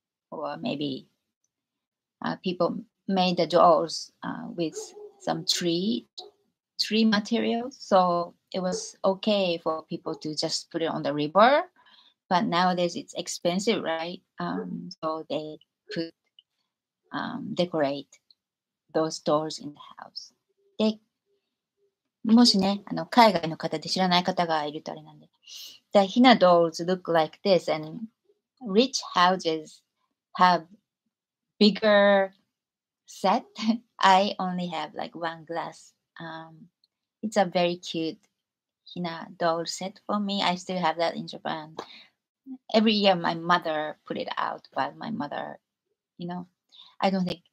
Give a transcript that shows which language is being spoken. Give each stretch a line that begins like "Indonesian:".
English: Or maybe people made the dolls with some tree material, so it was okay for people to just put it on the river. But nowadays it's expensive, right? So they put decorate those dolls in the house.
Japanese: で、もしね、海外の方で知らない方がいるとあれなんで、the
English: Hina dolls look like this andRich houses have bigger set. I only have like one glass. It's a very cute Hina doll set for me. I still have that in Japan. Every year my mother put it out, but my mother, I don't think